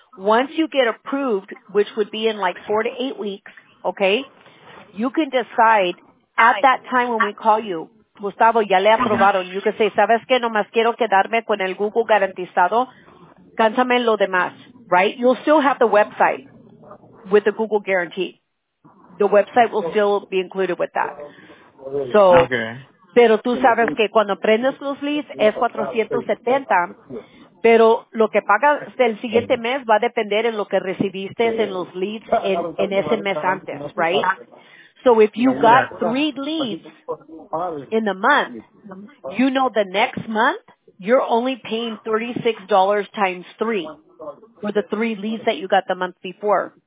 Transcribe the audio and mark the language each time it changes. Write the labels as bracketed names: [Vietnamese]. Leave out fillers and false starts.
[English] Once you get approved, which would be in like 4 to 8 weeks, okay, you can decide at that time when we call you, Gustavo, [Spanish] ya le aprobaron. [English] You can say, [Spanish] ¿sabes qué? Nomás quiero quedarme con el Google garantizado. Cánsame lo demás, right? [English] You'll still have the website with the Google guarantee. The website will still be included with that. So, okay. [Spanish] Pero tú sabes que cuando prendes los leads es 470, pero lo que pagas del siguiente mes va a depender en lo que recibiste en los leads en ese mes antes, right? [English] So if you got 3 leads in the month, you know the next month you're only paying $36 times 3 for the 3 leads that you got the month before.